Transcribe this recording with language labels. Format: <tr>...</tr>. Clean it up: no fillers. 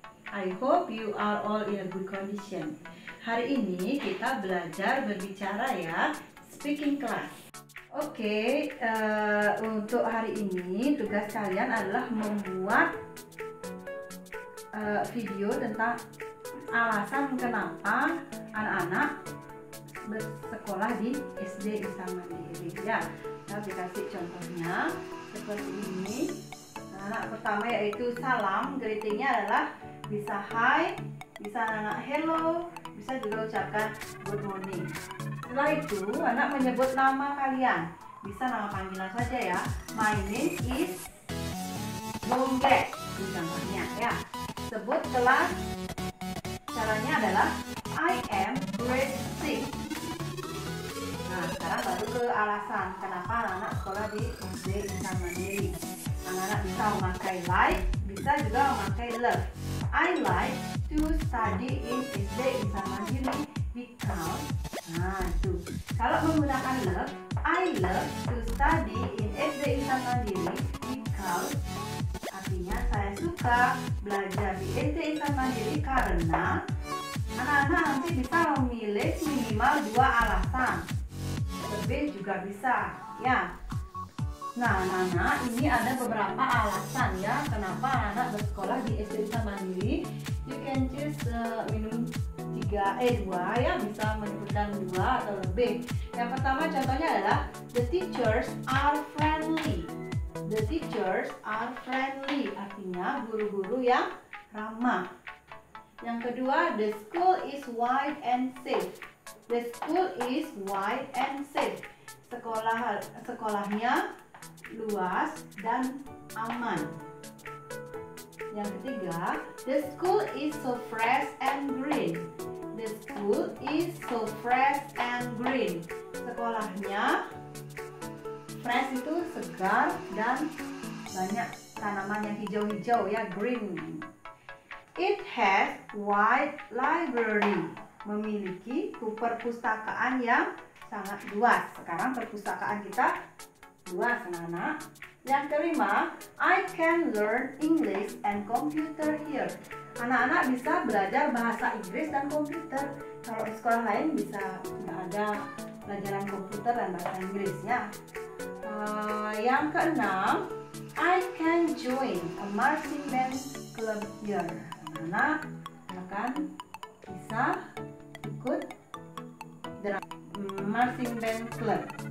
<en>I hope you are all in a good condition.</en> <id>Hari ini kita belajar berbicara ya,</id> <en>speaking class.</en> <id>Okay, untuk hari ini tugas kalian adalah membuat video tentang alasan kenapa anak-anak bersekolah di SD Isa Mandiri. Ya, saya dikasih contohnya seperti ini. Anak pertama yaitu salam, greetingnya adalah bisa hi, bisa anak hello, bisa juga ucapkan good morning. Setelah itu anak menyebut nama kalian, bisa nama panggilan saja ya.</id> <en>My name is Bombek,</en> <id>contohnya ya. Sebut kelas, caranya adalah</id> <en>I am grade 6.</en> <id>Nah sekarang baru ke alasan kenapa anak sekolah di SD Isa Mandiri. Anak-anak bisa memakai like, bisa juga memakai love.</id> <en>I like to study in SD Isa Mandiri because.</en> <id>Nah itu. Kalau menggunakan love,</id> <en>I love to study in SD Isa Mandiri because.</en> <id>Artinya saya suka belajar di SD Isa Mandiri karena. Anak-anak nanti bisa memilih minimal 2 alasan. Lebih juga bisa, ya. Nah, anak-anak, ini ada beberapa alasan ya kenapa anak bersekolah di SD Isa Mandiri.</id> <en>You can choose minum 2</en> <id>ya, bisa menyebutkan 2 atau lebih. Yang pertama contohnya adalah</id> <en>the teachers are friendly. The teachers are friendly,</en> <id>artinya guru-guru yang ramah. Yang kedua,</id> <en>the school is wide and safe. The school is wide and safe.</en> <id>Sekolahnya luas dan aman. Yang ketiga,</id> <en>the school is so fresh and green. The school is so fresh and green.</en> <id>Sekolahnya fresh itu segar dan banyak tanaman yang hijau-hijau ya, green.</id> <en>It has wide library.</en> <id>Memiliki perpustakaan yang sangat luas. Sekarang perpustakaan kita luas, anak-anak. Yang kelima,</id> <en>I can learn English and computer here.</en> <id>Anak-anak bisa belajar bahasa Inggris dan komputer. Kalau di sekolah lain bisa nggak ada pelajaran komputer dan bahasa Inggris ya. Yang keenam,</id> <en>I can join a marching band club here.</en> <id>Anak-anak akan bisa ikut drum marching band club.</id>